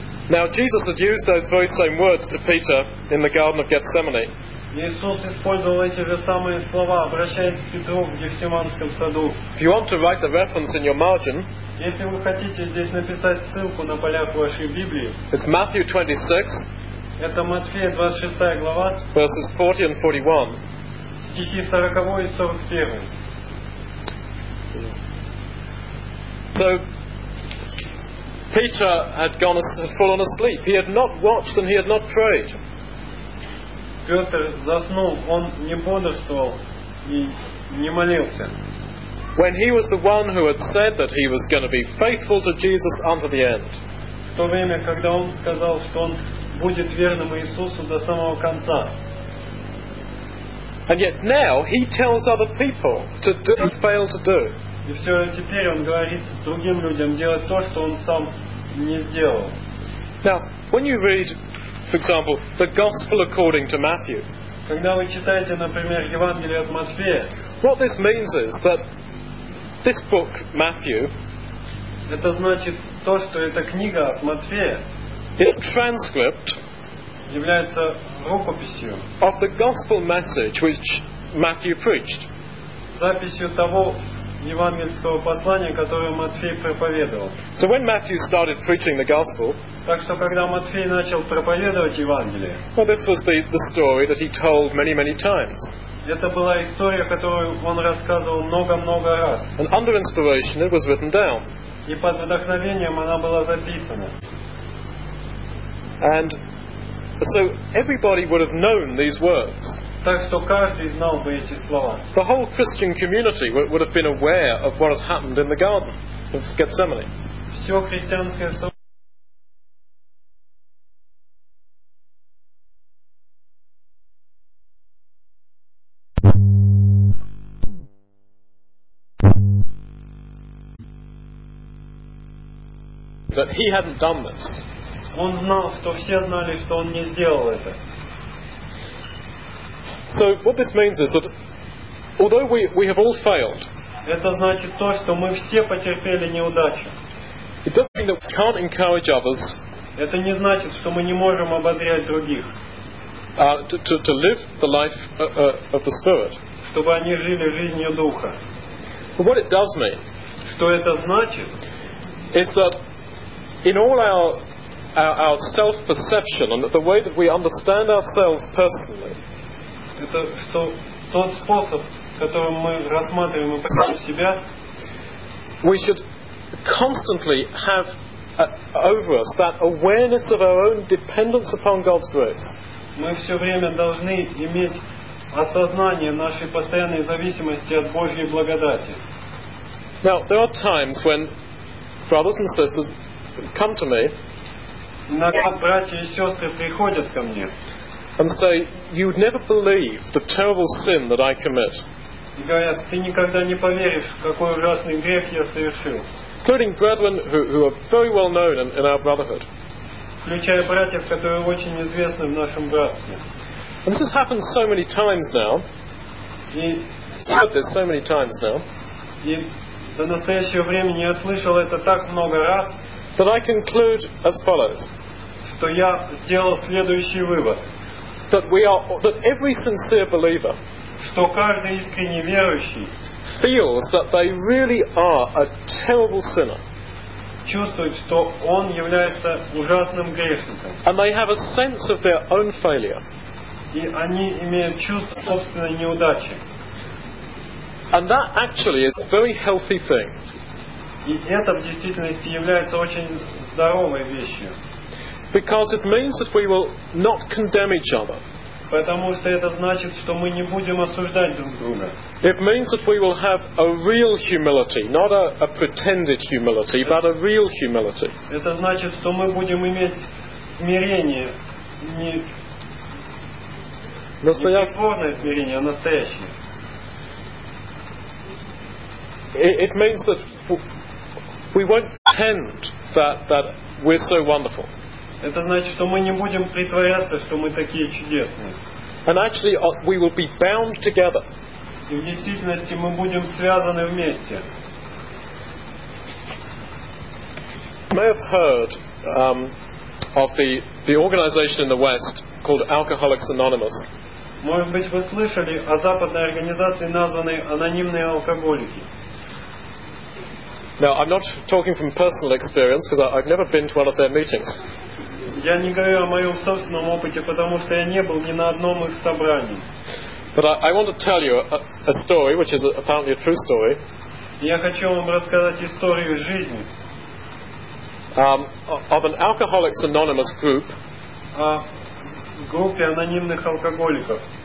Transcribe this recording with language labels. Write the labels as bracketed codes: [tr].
[en] Now Jesus had used those very same words to Peter in the Garden of Gethsemane. [ru] Иисус использовал эти же самые слова, обращаясь к Петру в Гефсиманском саду. [en] If you want to write the reference in your margin, [ru] если вы хотите здесь написать ссылку на полях вашей Библии, [en] it's Matthew 26. [ru] Это Матфея 26 глава. [en] Verses 40 and 41. [ru] Стихи 40 и 41. [en] So Peter had fallen asleep. He had not watched and he had not prayed. [ru] Петр заснул, он не бодрствовал и не молился. [en] When he was the one who had said that he was going to be faithful to Jesus unto the end. [ru] В то время, когда он сказал, что он будет верным Иисусу до самого конца. [en] And yet now he tells other people to do and fail to do. [ru] И все же теперь он говорит другим людям делать то, что он сам не сделал. [en] Now, when you read, for example, the Gospel according to Matthew, [ru] когда вы читаете, например, Евангелие от Матфея, [en] what this means is that this book, Matthew, [ru] это значит то, что эта книга от Матфея, [en] is a transcript, [ru] является рукописью [en] of the Gospel message which Matthew preached. [ru] Записью того евангельского послания, которое Матфей проповедовал. [en] So when Matthew started preaching the gospel, [ru] так что когда Матфей начал проповедовать Евангелие, [en] well, this was the story that he told many, many times. [ru] Это была история, которую он рассказывал много-много раз. [en] And under inspiration, it was written down. [ru] И под вдохновением она была записана. [en] And so everybody would have known these words. [ru] Так что каждый знал бы эти слова. [en] The whole Christian community would have been aware of what had happened in the garden of Gethsemane. [ru] Все христианское сообщество. [en] That he hadn't done this. [ru] Он знал, что все знали, что он не сделал это. [en] So what this means is that although we have all failed, [ru] это значит то, что мы все потерпели неудачу. [en] It doesn't mean that we can't encourage others. [ru] Это не значит, что мы не можем ободрять других. [en] To live the life of the Spirit. [ru] Чтобы они жили жизнью Духа. [en] But what it does mean, [ru] что это значит, [en] is that in all our self-perception and the way that we understand ourselves personally, [ru] это что тот способ, которым мы рассматриваем и понимаем себя, [en] we should constantly have over us that awareness of our own dependence upon God's grace. [ru] Мы все время должны иметь осознание нашей постоянной зависимости от Божьей благодати. [en] Now there are times when brothers and sisters come to me. [ru] Иногда братья и сестры приходят ко мне. [en] And say, "You would never believe the terrible sin that I commit." [ru] И говорят, ты никогда не поверишь, какой ужасный грех я совершил. [en] Including brethren who are very well known in our brotherhood. [ru] Включая братьев, которые очень известны в нашем братстве. [en] And this has happened so many times now. I've heard this so many times now. [ru] И до настоящего времени я слышал это так много раз. [en] That I conclude as follows. [ru] Что я сделал следующий вывод. [en] That every sincere believer. [ru] Что каждый искренне верующий. [en] Feels that they really are a terrible sinner. [ru] Чувствует, что он является ужасным грешником. [en] And they have a sense of their own failure. [ru] И они имеют чувство собственной неудачи. [en] And that actually is a very healthy thing. [ru] И это в действительности является очень здоровой вещью. [en] Because it means that we will not condemn each other. [ru] Потому что это значит, что мы не будем осуждать друг друга. [en] It means that we will have a real humility, not a pretended humility, but a real humility. [ru] Это значит, что мы будем иметь смирение, не бесспорное смирение, а настоящее. [en] It means that we won't pretend that we're so wonderful. [ru] Это значит, что мы не будем притворяться, что мы такие чудесные. [en] And actually, we will be bound together. [ru] И в действительности мы будем связаны вместе. [en] You may have heard of the organization in the West called Alcoholics Anonymous. [ru] Может быть, вы слышали о западной организации, названной «Анонимные алкоголики». [en] Now, I'm not talking from personal experience, because I've never been to one of their meetings. [ru] Я не говорю о моем собственном опыте, потому что я не был ни на одном их собрании. [en] But I want to tell you a story, which is apparently a true story. [ru] Я хочу вам рассказать историю жизни. [en] Of an Alcoholics Anonymous group. [ru] О группе анонимных алкоголиков.